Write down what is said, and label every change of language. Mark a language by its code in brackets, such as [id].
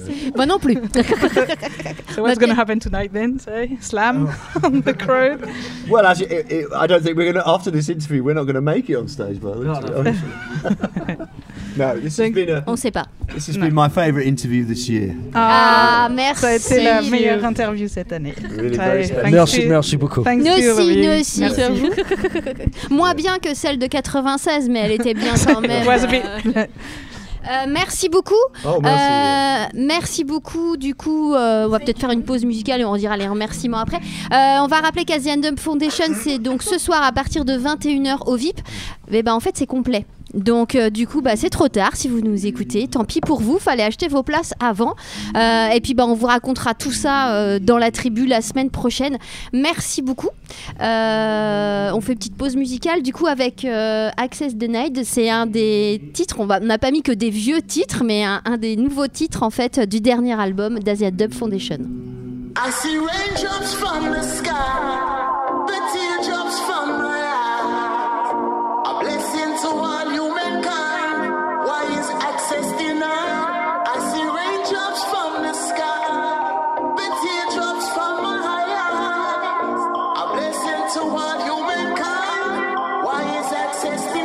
[fr] c'est? Non plus. [en] So what's going to happen tonight then? Say slam on the crowd. Well, I don't think we're going to. After this interview, we're not going to make it on stage, but no, this has been a. [fr] On sait pas. [en] This has been my favorite interview this year. [fr] Merci. Ça a été la meilleure interview cette année. Merci beaucoup. Nous aussi. Merci à vous. Moins bien que celle de 96, mais elle était bien quand même. Merci beaucoup. Merci beaucoup. Du coup, on va peut-être faire une pause musicale et on dira les remerciements après. On va rappeler qu'Asian Dump Foundation, c'est donc ce soir à partir de 21h au VIP. Mais en fait, c'est complet. Donc du coup bah, c'est trop tard si vous nous écoutez, tant pis pour vous, fallait acheter vos places avant. Et puis bah, on vous racontera tout ça dans la tribu la semaine prochaine. Merci beaucoup. On fait une petite pause musicale du coup avec Access Denied. C'est un des titres, on n'a pas mis que des vieux titres, mais un des nouveaux titres en fait du dernier album d'Asia Dub Foundation. [en] I see raindrops from the sky, the teardrops from my eyes, a blessing to all humankind, why is access denied? I see raindrops from the sky, the teardrops from my eyes, a blessing to all humankind, why is access